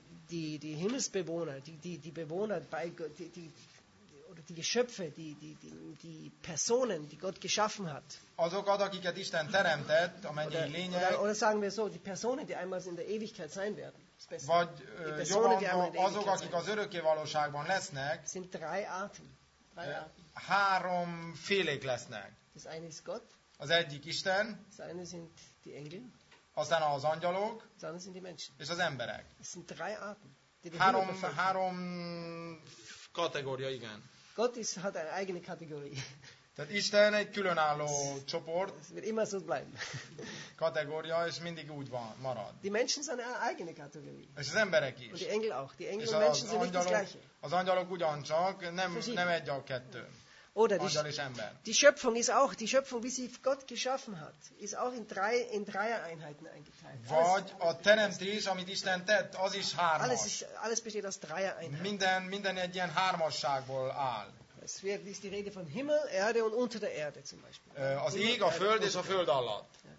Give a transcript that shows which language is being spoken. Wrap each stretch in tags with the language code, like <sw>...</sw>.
<de>Die Himmelsbewohner, die Bewohner bei Gott, oder die Geschöpfe, die Personen, die Gott geschaffen hat.</de> <hu>Azokat, akiket Isten teremtett, amennyi lények.</hu> <de>Oder sagen wir so, die Personen, die einmal in der Ewigkeit sein werden.</de> <hu>Vagy jobban, azok, akik az örökkévalóságban lesznek,</hu> <de>sind drei Arten.</de> <hu>Három félék lesznek.</hu> <de>Das eine ist Gott,</de> <hu>az egyik Isten,</hu> <de>das eine sind die Engel,</de> <hu>aztán az angyalok,</hu> <de>das andere sind die Menschen,</de> <hu>és az emberek.</hu> <de>Es sind drei Arten,</de> <hu>három kategória, igen.</hu> <de>Gott ist, hat eine eigene Kategorie.</de> <hu>Tehát Isten egy különálló csoport.</hu> <de>Ez wird immer so bleiben.</de> <hu>Kategória, és mindig úgy van, marad.</hu> <de>Die Menschen sind eine eigene Kategorie.</de> <hu>És az emberek is.</hu> <de>Und die Engel auch. Die Engel und Menschen sind nicht das gleiche.</de> <hu>Az angyalok ugyancsak, nem egy a kettő.</hu> <de>Oder</de> <hu>angyal és ember.</hu> <de>Die Schöpfung ist auch, die Schöpfung, wie sie Gott geschaffen hat, ist auch in dreier Einheiten eingeteilt.</de> <hu>Vagy a teremtés, amit Isten tett, az is hármas.</hu> <de>Alles besteht aus dreier Einheiten.</de> <hu>Minden egy ilyen hármasságból áll.</hu> <de>Es wird ist die Rede von Himmel, Erde und unter der Erde zum Beispiel.</de> <hu>Az ég, a Föld és a Föld alatt.</hu>